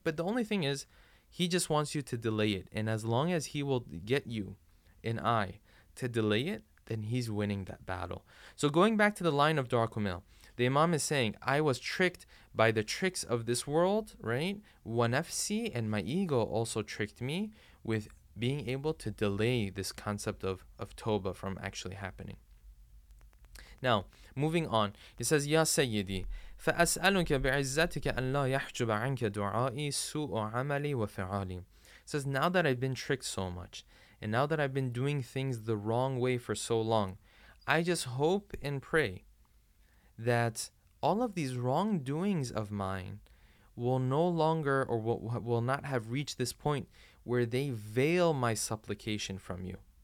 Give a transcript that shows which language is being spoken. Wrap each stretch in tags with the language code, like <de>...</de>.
<en>But the only thing is, he just wants you to delay it. And as long as he will get you and I to delay it, then he's winning that battle. So going back to the line of Darkumil, the Imam is saying, I was tricked by the tricks of this world, right? Wanafsi, and my ego also tricked me with being able to delay this concept of Tawbah from actually happening. Now, moving on, he says,</en> <ar>Ya Sayyidi, فَأَسْأَلُكَ بِعِزَّتِكَ أَنْ لَا يَحْجُبَ عَنْكَ دُعَائِي سُوءُ عَمَلِي وَفِعَالِي.</ar> <en>Says, now that I've been tricked so much, and now that I've been doing things the wrong way for so long, I just hope and pray that all of these wrongdoings of mine will no longer, or will not have reached this point where they veil my supplication from you.</en>